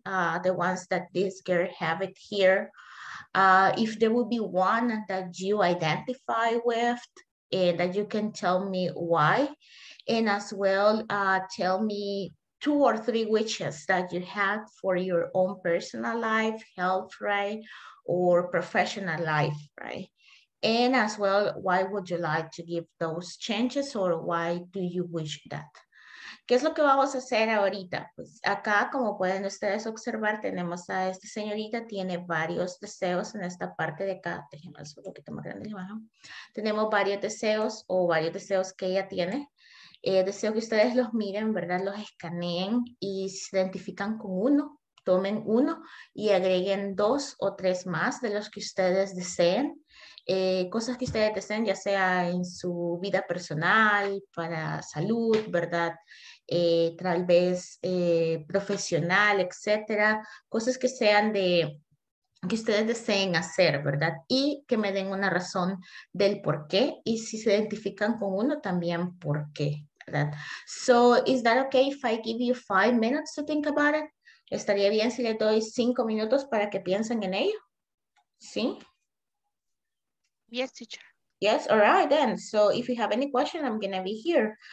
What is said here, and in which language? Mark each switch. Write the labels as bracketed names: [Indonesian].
[English] The ones that this girl have it here. If there will be one that you identify with and that you can tell me why, and as well tell me 2 or 3 wishes that you had for your own personal life, health, right, or professional life, right? And as well, why would you like to give those changes, or why do you wish that? [Spanish] ¿Qué es lo que vamos a hacer ahorita? Pues acá, como pueden ustedes observar, tenemos a esta señorita, tiene varios deseos en esta parte de acá. Déjenme hacer un poquito más grande la imagen. Tenemos varios deseos que ella tiene. Deseo que ustedes los miren, ¿verdad? Los escaneen y se identifican con uno. Tomen uno y agreguen 2 o 3 más de los que ustedes deseen. Cosas que ustedes deseen, ya sea en su vida personal, para salud, ¿verdad? Tal vez profesional, etcétera. Cosas que sean de que ustedes deseen hacer, ¿verdad? Y que me den una razón del por qué. Y si se identifican con uno, también por qué, ¿verdad? [English] So, is that okay if I give you 5 minutes to think about it? [Spanish] ¿Estaría bien si le doy 5 minutos para que piensen en ello? ¿Sí? [English] Yes, teacher. Yes, all right then. So if you have any question, I'm gonna be here.